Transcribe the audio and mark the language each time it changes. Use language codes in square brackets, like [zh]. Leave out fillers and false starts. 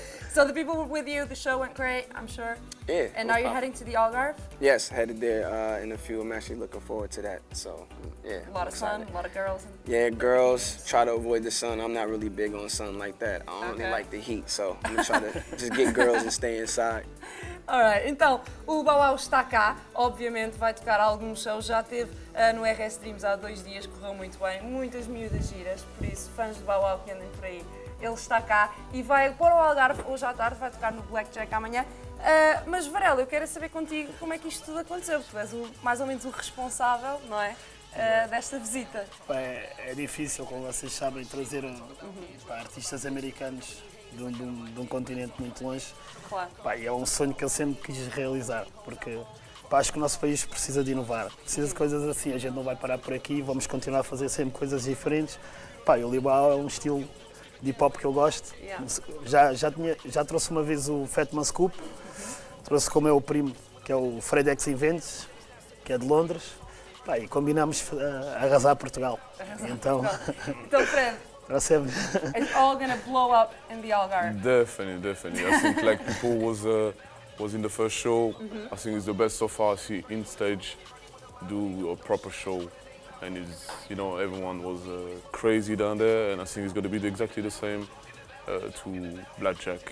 [en] So the people were with you, the show went great, I'm sure. Yeah. And now you're heading to the Algarve? Yes, headed there in a few. I'm actually looking forward to that. So, yeah. A lot of sun, a lot of girls. Yeah, girls, try to avoid the sun. I'm not really big on sun like that. I don't really like the heat, so I'm going to try to just get girls and stay inside. [pt] All right, então, o Bow Wow está cá. Obviamente vai tocar alguns shows. Já teve no RS Dreams há 2 dias, correu muito bem. Muitas miúdas giras, por isso, fãs do Bow Wow que andem por aí. Ele está cá e vai para o Algarve hoje à tarde, vai tocar no Blackjack amanhã. Mas Varela, eu quero saber contigo como é que isto tudo aconteceu, porque és mais ou menos o responsável, não é, desta visita. É difícil, como vocês sabem, trazer para artistas americanos de um continente muito longe. Claro. E é um sonho que eu sempre quis realizar, porque acho que o nosso país precisa de inovar, precisa de coisas assim, a gente não vai parar por aqui, vamos continuar a fazer sempre coisas diferentes. E o Libal é um estilo de hip-hop que eu gosto. [en] Yeah. [pt] Já trouxe uma vez o Fatman Scoop, trouxe com o meu primo, que é o Fred X Inventes, que é de Londres, e combinámos arrasar Portugal. Arrasar então, Portugal. Então, [en] Fred, it's all gonna blow up in the Algarve. Definitely, definitely. I think like people was in the first show, I think it's the best so far, I see in stage, do a proper show. And it's, you know, everyone was crazy down there, and I think it's going to be exactly the same to Blackjack.